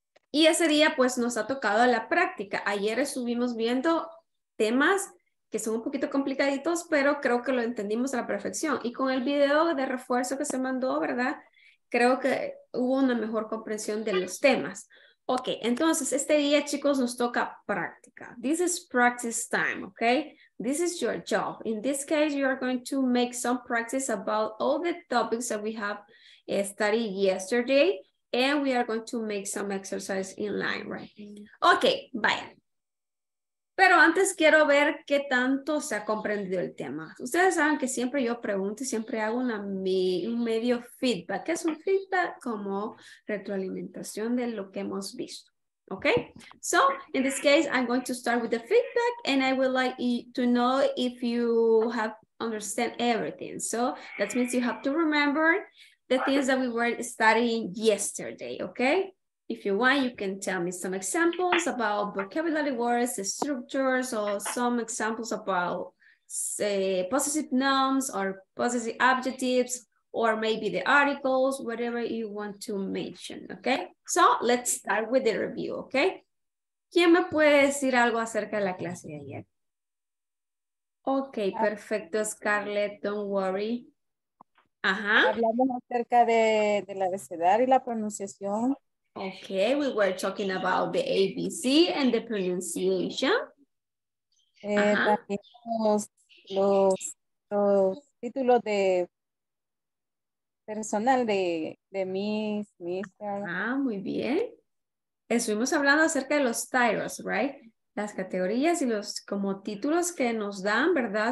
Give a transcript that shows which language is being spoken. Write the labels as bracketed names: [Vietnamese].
[Spanish] Y ese día, pues, nos ha tocado la práctica. Ayer estuvimos viendo temas que son un poquito complicaditos, pero creo que lo entendimos a la perfección. Y con el video de refuerzo que se mandó, ¿verdad? Creo que hubo una mejor comprensión de los temas. Ok, entonces este día, chicos, nos toca práctica. [English] This is practice time, ok? This is your job. In this case, you are going to make some practice about all the topics that we have studied yesterday. And we are going to make some exercise in line, right? Ok, vaya. [Spanish] Pero antes quiero ver qué tanto se ha comprendido el tema. Ustedes saben que siempre yo pregunto y siempre hago un medio feedback. ¿Qué es un feedback? Como retroalimentación de lo que hemos visto. ¿Ok? [English] So, in this case, I'm going to start with the feedback and I would like to know if you have understand everything. So, that means you have to remember the things that we were studying yesterday. ¿Ok? If you want, you can tell me some examples about vocabulary words, the structures, or some examples about, say, possessive nouns or possessive adjectives, or maybe the articles, whatever you want to mention, okay? So, let's start with the review, okay? [Spanish] ¿Quién me puede decir algo acerca de la clase de ayer? [English] Okay, perfecto, Scarlett, don't worry. [Spanish] Ajá. Hablamos acerca del abecedario y la pronunciación. [English] Okay, we were talking about the ABC and the pronunciation. [Spanish] También los títulos de personal de Miss, Mister. Ah, muy bien. Estuvimos hablando acerca de los [English] titles, right? [Spanish] Las categorías y los como títulos que nos dan, ¿verdad?